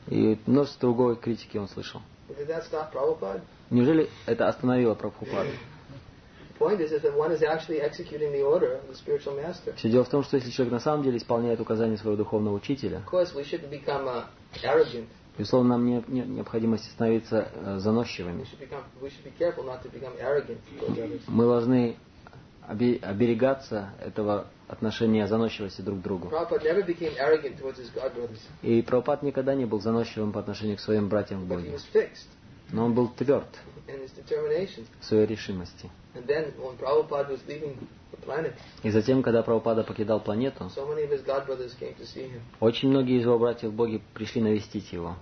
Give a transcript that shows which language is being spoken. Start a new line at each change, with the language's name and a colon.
Russian: И множество другой критики он слышал.
English: Did that stop Prabhupada?
Russian: Неужели это остановило Прабхупаду?
English: Point is that one is actually executing the order of the spiritual master.
Russian: Все дело в том, что если человек на самом деле исполняет указания своего духовного учителя.
English: Of course, we shouldn't become arrogant.
Russian: Безусловно, нам необходимо становиться заносчивыми.
English: We should be careful not to become arrogant.
Russian: Мы должны оберегаться этого отношения заносчивости друг к другу.
English: Prabhupada never became arrogant towards his godbrothers.
Russian: И Прабхупад никогда не был заносчивым по отношению к своим братьям в Боге.
English: But he was fixed.
Russian: Но он был тверд
English: in his determination.
Russian: В своей решимости.
English: And then, when Prabhupada was leaving the planet,
Russian: и затем, когда Прабхупада покидал планету,
English: so many of his godbrothers came to see him.
Russian: Очень многие из его братьев в Боге пришли навестить его.